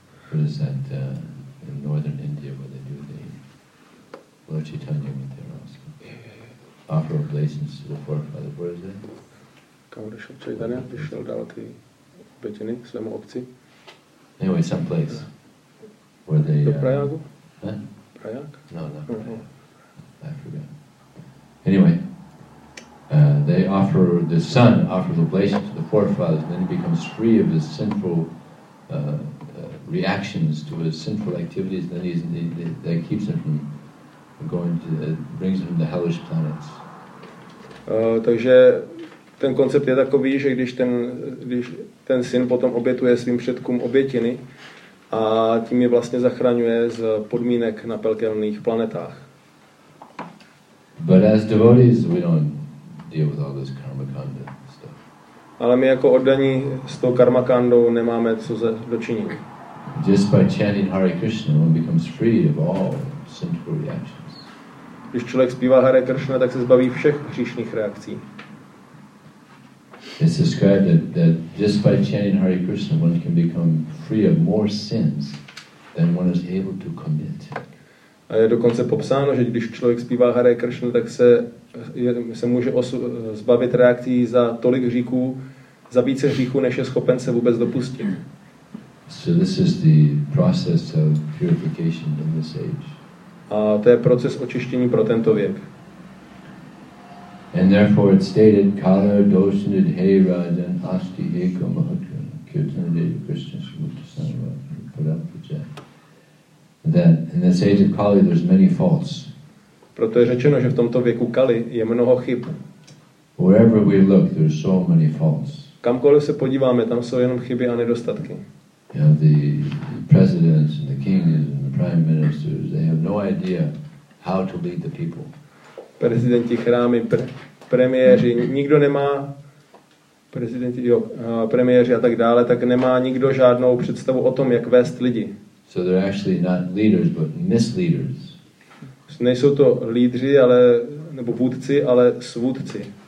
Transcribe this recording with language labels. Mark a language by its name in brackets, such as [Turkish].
[English] What is that in northern India where they do the Lord Chaitanya with their asking? Offer obeisance to the forefather. Where is that? [Czech] Kam odešel Chaitanya, když šel dávat ty obětiny svému otci? [English] Anyway, some place. Where they... [Czech] Do Prajagu? Huh? Prajag? [English] No, not Prajag. I forgot. Anyway, they offer, the son offers obeisance to the forefathers, then he becomes free of his sinful reactions to his sinful activities, then that keeps him from going to brings him to hellish planets. [Czech] Takže ten koncept je takový, že když ten syn potom obětuje svým předkům obětiny a tím je vlastně zachraňuje z podmínek na pekelných planetách. [English] But as devotees, we don't deal with all this karma kanda stuff. [Czech] ale my jako oddaní s tou karmakandou nemáme co se dočinit. [English] Just by chanting Hare Krishna, one becomes free of all sinful reactions. [Czech] Když člověk zpívá Hare Krishna, tak se zbaví všech hříšných reakcí. [English] It's described that just by chanting Hare Krishna, one can become free of more sins than one is able to commit. [Czech] A je dokonce popsáno, že když člověk zpívá Hare Krishna, tak se může zbavit reakcí za tolik hříchů, za více hříchů, než je schopen se vůbec dopustit. [English] So this is the process of purification in this age. [Czech] A to je proces očištění pro tento věk. [English] And therefore it's stated, [Sanskrit] Kala doshnid hei rajan asti eka mahatrana kirtanadeva krishna shumuta sanava parapraja. [English] That in this age of Kali there's many faults. [Czech] Proto je řečeno, že v tomto věku Kali je mnoho chyb. [English] Wherever we look, there's so many faults. [Czech] Kamkoliv se podíváme, tam jsou jenom chyby a nedostatky. [English] You know, the presidents and the kings and the prime ministers, they have no idea how to lead the people. [Czech] Prezidenti, chrámy, premiéři, nikdo nemá, prezidenti, jo, premiéři a tak dále, tak nemá nikdo žádnou představu o tom, jak vést lidi. [English] So they're actually not leaders, but misleaders. [Czech] Nejsou to lídři, ale nebo vůdci, ale svůdci.